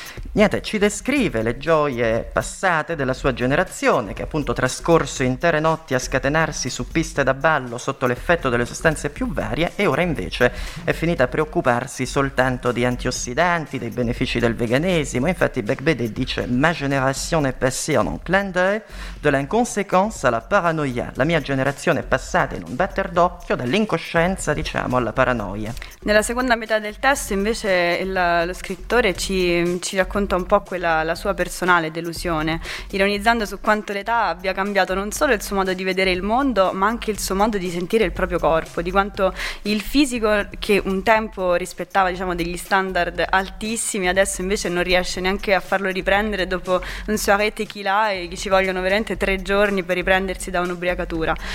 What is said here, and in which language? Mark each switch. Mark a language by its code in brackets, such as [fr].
[it] niente, ci descrive le gioie passate della sua generazione, che appunto trascorso intere notti a scatenarsi su piste da ballo sotto l'effetto delle sostanze più varie, e ora invece è finita a preoccuparsi soltanto di antiossidanti, dei benefici del veganesimo. Infatti Becbédé dice: [fr] «Ma génération est passée en un clin d'œil, de l'inconséquence à la paranoia». [it] La mia generazione è passata in un batter d'occhio, dall'incoscienza, diciamo, alla paranoia. Nella seconda metà del testo invece lo scrittore ci racconta un po' la sua personale delusione, ironizzando su quanto l'età abbia cambiato non solo il suo modo di vedere il mondo, ma anche il suo modo di sentire il proprio corpo, di quanto il fisico, che un tempo rispettava, diciamo, degli standard altissimi, adesso invece non riesce neanche a farlo riprendere dopo un soirée tequila, e che ci vogliono veramente 3 giorni per riprendersi da un'ubriacatura.